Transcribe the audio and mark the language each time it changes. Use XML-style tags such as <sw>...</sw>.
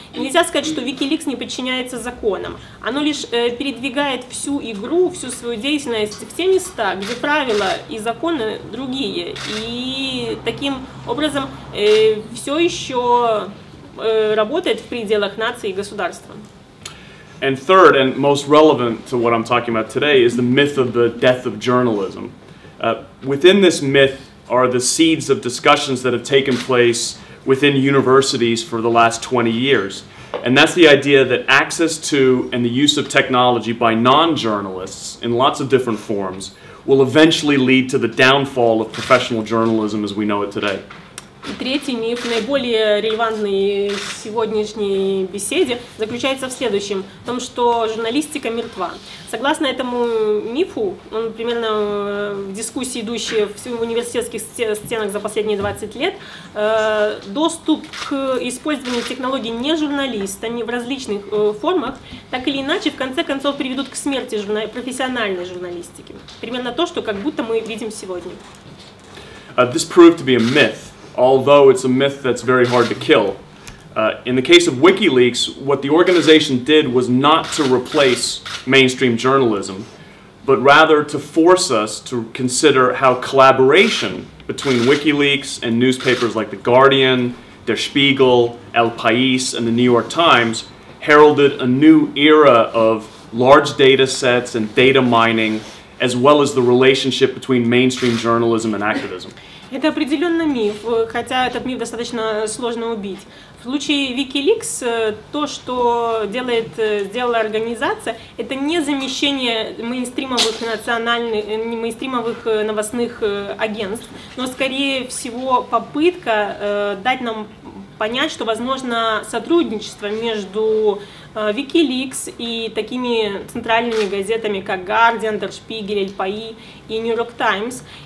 <ru>Нельзя сказать, что WikiLeaks не подчиняется законам. Оно лишь передвигает всю игру, всю свою деятельность в те места, где правила и законы другие. И таким образом все еще работает в пределах нации и государства.</ru> <en>And third, and most relevant to what I'm talking about today, is the myth of the death of journalism. Within this myth are the seeds of discussions that have taken place within universities for the last 20 years. And that's the idea that access to and the use of technology by non-journalists in lots of different forms will eventually lead to the downfall of professional journalism as we know it today.</en> <ru>И третий миф, наиболее релевантный в сегодняшней беседе, заключается в следующем, в том, что журналистика мертва. Согласно этому мифу, он примерно в дискуссии, идущей в университетских стенах за последние 20 лет, доступ к использованию технологий не журналистами в различных формах, так или иначе, в конце концов, приведут к смерти профессиональной журналистики. Примерно то, что как будто мы видим сегодня.</ru> <en>This proved to be a myth. Although it's a myth that's very hard to kill. In the case of WikiLeaks, what the organization did was not to replace mainstream journalism, but rather to force us to consider how collaboration between WikiLeaks and newspapers like The Guardian, Der Spiegel, El País, and The New York Times heralded a new era of large data sets and data mining, as well as the relationship between mainstream journalism and activism.</en> <ru>Это определенно миф, хотя этот миф достаточно сложно убить. В случае WikiLeaks то, что сделала организация, это не замещение мейнстримовых новостных агентств, но скорее всего попытка дать нам понять, что возможно сотрудничество между WikiLeaks и такими центральными газетами, как Guardian, Der Spiegel, El País и New York Times,</ru>